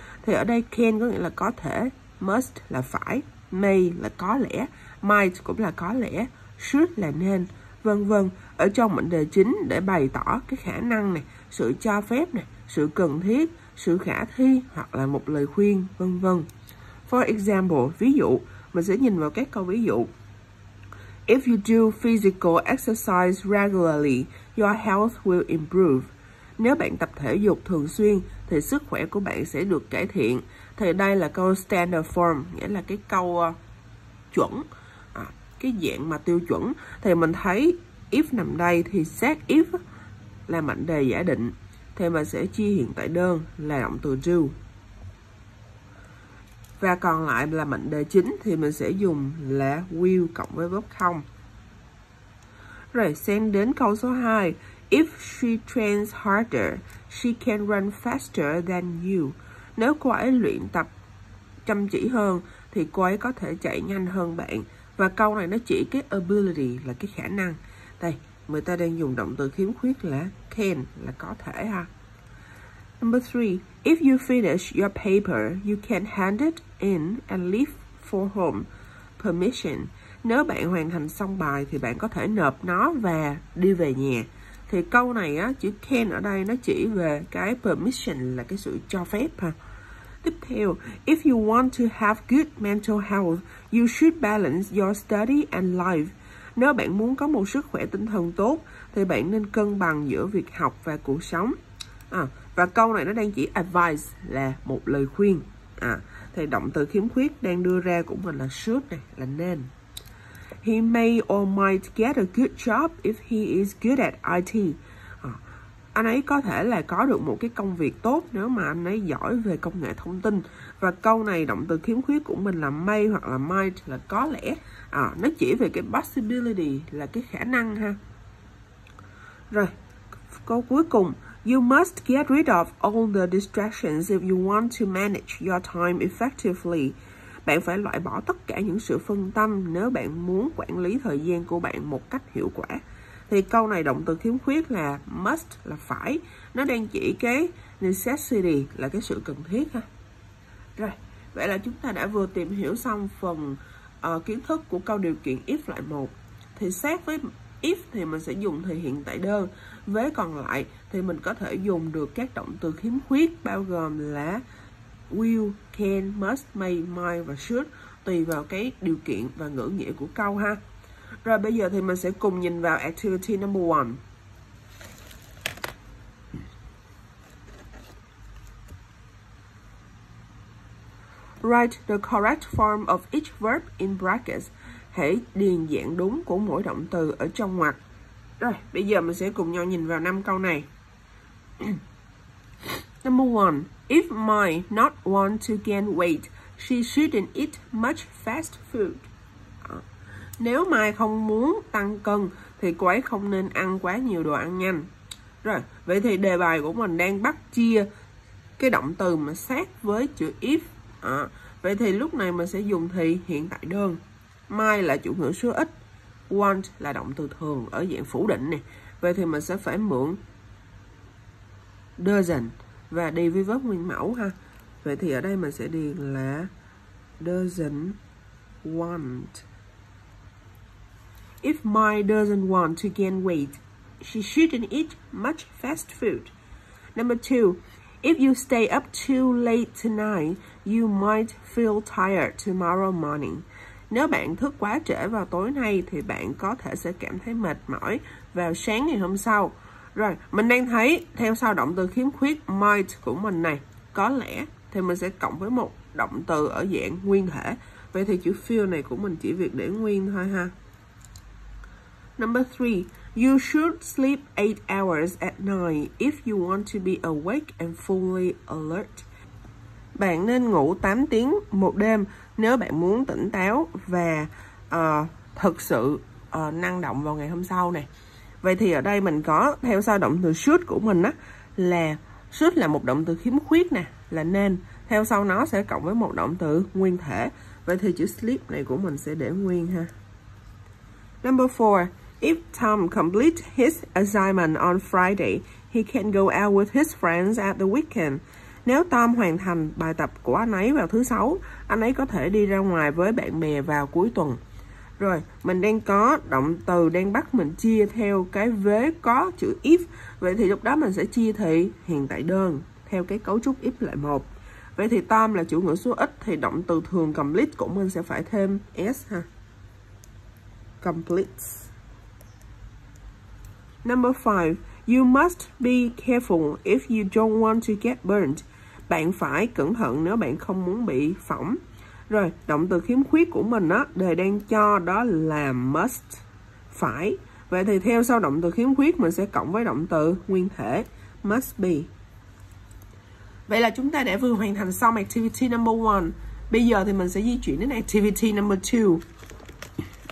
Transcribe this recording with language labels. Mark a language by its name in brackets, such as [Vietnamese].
[Vietnamese] Thì ở đây can có nghĩa là có thể, must là phải, may là có lẽ, might cũng là có lẽ, should là nên, vân vân, ở trong mệnh đề chính để bày tỏ cái khả năng này, sự cho phép này, sự cần thiết, sự khả thi hoặc là một lời khuyên, vân vân. [English] For example, [Vietnamese] ví dụ, mình sẽ nhìn vào các câu ví dụ. [English] If you do physical exercise regularly, your health will improve. [Vietnamese] Nếu bạn tập thể dục thường xuyên thì sức khỏe của bạn sẽ được cải thiện. Thì đây là câu standard form, nghĩa là cái câu chuẩn. Cái dạng mà tiêu chuẩn thì mình thấy if nằm đây thì set if là mệnh đề giả định thì mình sẽ chia hiện tại đơn là động từ do. Và còn lại là mệnh đề chính thì mình sẽ dùng là will cộng với verb không. Rồi xem đến câu số 2. [English] If she trains harder, she can run faster than you. [Vietnamese] Nếu cô ấy luyện tập chăm chỉ hơn thì cô ấy có thể chạy nhanh hơn bạn. Và câu này nó chỉ cái ability là cái khả năng. Đây, người ta đang dùng động từ khiếm khuyết là can, là có thể ha. [English] Number 3. If you finish your paper, you can hand it in and leave for home. Permission. [Vietnamese] Nếu bạn hoàn thành xong bài thì bạn có thể nộp nó và đi về nhà. Thì câu này á, chữ can ở đây nó chỉ về cái permission là cái sự cho phép ha. Tiếp theo, [English] if you want to have good mental health, you should balance your study and life. [Vietnamese] Nếu bạn muốn có một sức khỏe tinh thần tốt, thì bạn nên cân bằng giữa việc học và cuộc sống. Và câu này nó đang chỉ advice là một lời khuyên. Thì động từ khiếm khuyết đang đưa ra của mình là should này, là nên. [English] He may or might get a good job if he is good at IT. [Vietnamese] Anh ấy có thể là có được một cái công việc tốt nếu mà anh ấy giỏi về công nghệ thông tin. Và câu này động từ khiếm khuyết của mình là may hoặc là might, là có lẽ. Nó chỉ về cái possibility, là cái khả năng ha. Rồi, câu cuối cùng. [English] You must get rid of all the distractions if you want to manage your time effectively. [Vietnamese] Bạn phải loại bỏ tất cả những sự phân tâm nếu bạn muốn quản lý thời gian của bạn một cách hiệu quả. Thì câu này động từ khiếm khuyết là must, là phải. Nó đang chỉ cái necessity, là cái sự cần thiết ha. Rồi, vậy là chúng ta đã vừa tìm hiểu xong phần kiến thức của câu điều kiện if loại 1. Thì xét với if thì mình sẽ dùng thì hiện tại đơn. Với còn lại thì mình có thể dùng được các động từ khiếm khuyết bao gồm là will, can, must, may, might và should tùy vào cái điều kiện và ngữ nghĩa của câu ha. Rồi bây giờ thì mình sẽ cùng nhìn vào [English] activity number 1. Write the correct form of each verb in brackets. [Vietnamese] Hãy điền dạng đúng của mỗi động từ ở trong ngoặc. Rồi, bây giờ mình sẽ cùng nhau nhìn vào 5 câu này. [English] Number 1. If Mai not want to gain weight, she shouldn't eat much fast food. [Vietnamese] Nếu Mai không muốn tăng cân, thì cô ấy không nên ăn quá nhiều đồ ăn nhanh. Rồi, vậy thì đề bài của mình đang bắt chia cái động từ mà sát với chữ if. Vậy thì lúc này mình sẽ dùng thì hiện tại đơn. Mai là chủ ngữ số ít. want là động từ thường ở dạng phủ định này. Vậy thì mình sẽ phải mượn doesn't và đi với verb nguyên mẫu ha. Vậy thì ở đây mình sẽ điền là doesn't want. [English] If Mai doesn't want to gain weight, she shouldn't eat much fast food. Number two, if you stay up too late tonight, you might feel tired tomorrow morning. [Vietnamese] Nếu bạn thức quá trễ vào tối nay thì bạn có thể sẽ cảm thấy mệt mỏi vào sáng ngày hôm sau. Rồi, mình đang thấy theo sau động từ khiếm khuyết might của mình này, có lẽ thì mình sẽ cộng với một động từ ở dạng nguyên thể. Vậy thì chữ feel này của mình chỉ việc để nguyên thôi ha. [English] Number three, you should sleep 8 hours at night if you want to be awake and fully alert. [Vietnamese] Bạn nên ngủ 8 tiếng một đêm nếu bạn muốn tỉnh táo và thực sự năng động vào ngày hôm sau này. Vậy thì ở đây mình có theo sau động từ should của mình á, là should là một động từ khiếm khuyết nè, là nên. Theo sau nó sẽ cộng với một động từ nguyên thể. Vậy thì chữ sleep này của mình sẽ để nguyên ha. [English] Number four, if Tom completes his assignment on Friday, he can go out with his friends at the weekend. [Vietnamese] Nếu Tom hoàn thành bài tập của anh ấy vào thứ sáu, anh ấy có thể đi ra ngoài với bạn bè vào cuối tuần. Rồi, mình đang có động từ đang bắt mình chia theo cái vế có chữ if. Vậy thì lúc đó mình sẽ chia thị hiện tại đơn theo cái cấu trúc if lại một. Vậy thì Tom là chủ ngữ số ít thì động từ thường complete của mình sẽ phải thêm s ha. [English] Completes. Number five, you must be careful if you don't want to get burned. [Vietnamese] Bạn phải cẩn thận nếu bạn không muốn bị phỏng. Rồi, động từ khiếm khuyết của mình á, đề đang cho đó là must, phải. Vậy thì theo sau động từ khiếm khuyết mình sẽ cộng với động từ nguyên thể must be. Vậy là chúng ta đã vừa hoàn thành xong [English] activity number 1. [Vietnamese] Bây giờ thì mình sẽ di chuyển đến [English] activity number 2.